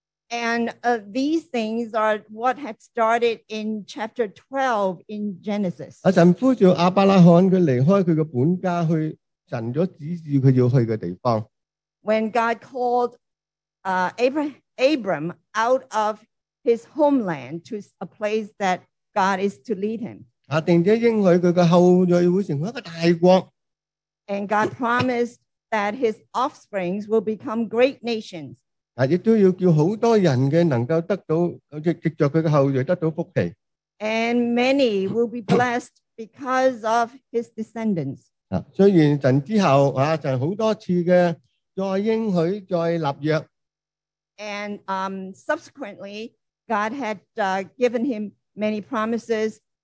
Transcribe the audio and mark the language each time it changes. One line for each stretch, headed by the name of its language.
English: And these things are what had started in chapter 12 in Genesis.
Chinese: 神呼召亚伯拉罕他离开他的本家去神所指示他要去的地方。
English: When God called Abram out of his homeland to a place that God is to lead him.
Chinese: 定者应许他的后裔会成为一个大国。
English: And God promised that his offsprings will become great nations.
Chinese: 亦都要叫很多人能够得到藉着他的后裔得到福气。
English: And many will be blessed because of his descendants.
Chinese: 虽然神之后神很多次的再应许再立约。
English: And subsequently, God had given him many promises.